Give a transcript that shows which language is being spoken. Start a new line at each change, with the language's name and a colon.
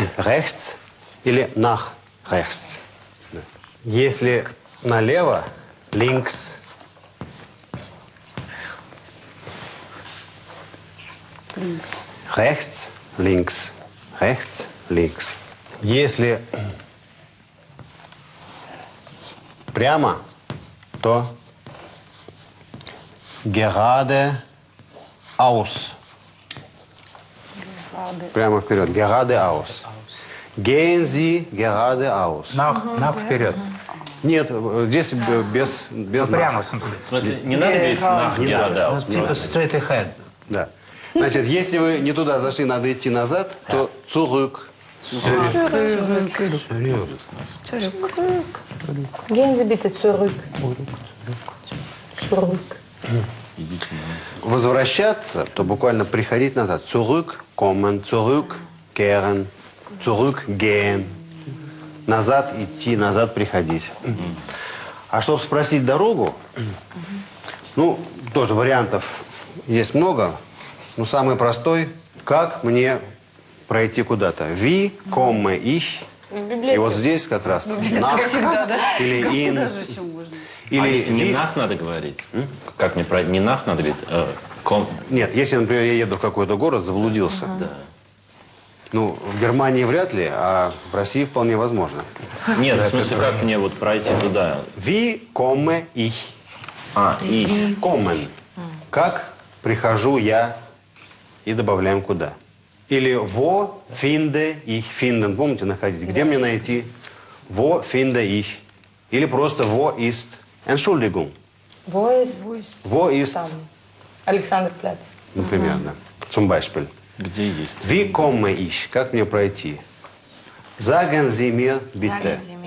German: Rechts
Russian: или
German: nach rechts.
Russian: Если налево,
German: links. Rechts, links. Rechts, links.
Russian: Если прямо, то
German: gerade aus.
Russian: Прямо вперед.
German: Gerade aus. Gehen Sie gerade aus. Nach
Russian: вперед. Нет, здесь без ну, nach. Прямо, в смысле, не надо говорить
German: nach gerade aus.
English: Типа straight ahead.
Russian: Да. Значит, если вы не туда зашли, надо идти назад, то zurück.
German: Gehen Sie bitte zurück.
Russian: Возвращаться, то буквально приходить назад.
German: Zurück kommen, zurück kehren, zurück gehen.
Russian: Назад идти, назад приходить. А чтобы спросить дорогу, ну, тоже вариантов есть много. Но самый простой, как мне пройти куда-то?
German: Wie komme ich?
Russian: И вот здесь как раз nach или in. Или а не nach надо говорить? М? Как мне про не nach надо говорить? Нет, если, например, я еду в какой-то город, заблудился. Да. Ну, в Германии вряд ли, а в России вполне возможно. Нет, в смысле, как мне вот пройти туда?
German: Wie komme ich? А, ich. Kommen.
Russian: Как прихожу я и добавляем куда?
German: Или wo finde ich finden?
Russian: Помните, находить? Где мне найти?
German: Wo finde ich?
Russian: Или просто
German: wo ist? Entschuldigung. Wo ist Alexanderplatz?
Russian: Например, да.
German: Zum Beispiel.
Russian: Где есть?
German: Wie komme ich?
Russian: Как мне пройти?
German: Sagen Sie mir bitte.